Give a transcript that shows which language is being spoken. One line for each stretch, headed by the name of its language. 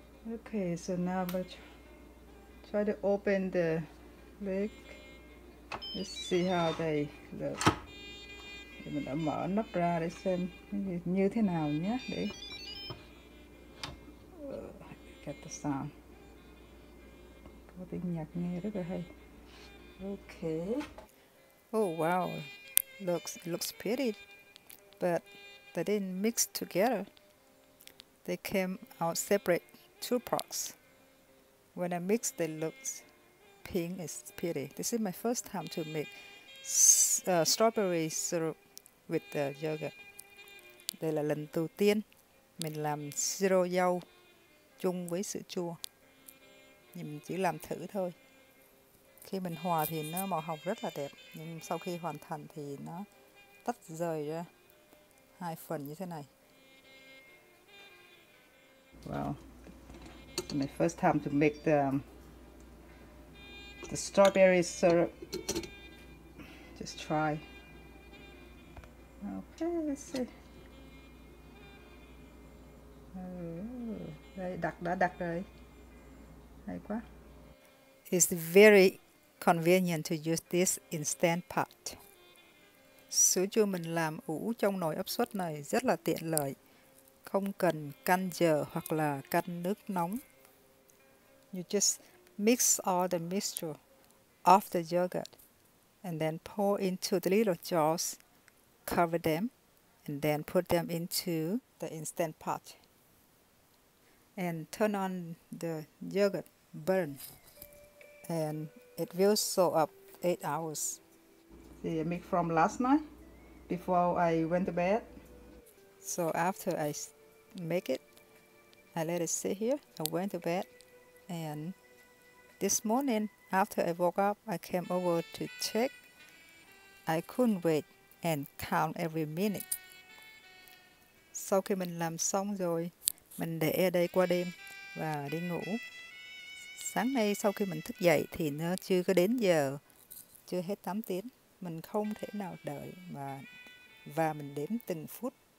English: Okay, so now let's try to open the lid. Let's see how they look.
Vietnamese: Để mình đã mở nắp ra để xem như thế nào nhé.
English: Để get the sound.
Vietnamese: Có tiếng nhạc nghe rất là hay.
English: Okay. Oh wow. Looks pretty. But they didn't mix together. They came out separate. Two parts. When I mix, they look pink. It's pretty. This is my first time to make strawberry syrup with the yogurt.
Vietnamese: Đây là lần đầu tiên mình làm siro dâu chung với sữa chua. Nhưng chỉ làm thử thôi. Khi mình hòa thì nó màu hồng rất là đẹp. Nhưng sau khi hoàn thành thì nó tách rời ra hai phần như thế này.
English: Wow. My first time to make the strawberry syrup. Just try. Okay, let's see.
Vietnamese: Đây, đã đặt rồi. Hay quá.
English: It's very convenient to use this instant pot.
Vietnamese: Sữa chua mình làm ủ trong nồi áp suất này rất là tiện lợi. Không cần canh giờ hoặc là canh nước nóng.
English: You just mix all the mixture of the yogurt and then pour into the little jars, cover them, and then put them into the instant pot and turn on the yogurt burn and it will show up 8 hours. See, I make from last night before I went to bed. So after I make it, I let it sit here. I went to bed. And this morning, after I woke up, I came over to check. I couldn't wait and count every minute.
Vietnamese: Sau khi mình làm xong rồi, mình để ở đây qua đêm và đi ngủ. Sáng nay sau khi mình thức dậy thì nó chưa có đến giờ, chưa hết 8 tiếng. Mình không thể nào đợi và mình đếm từng phút.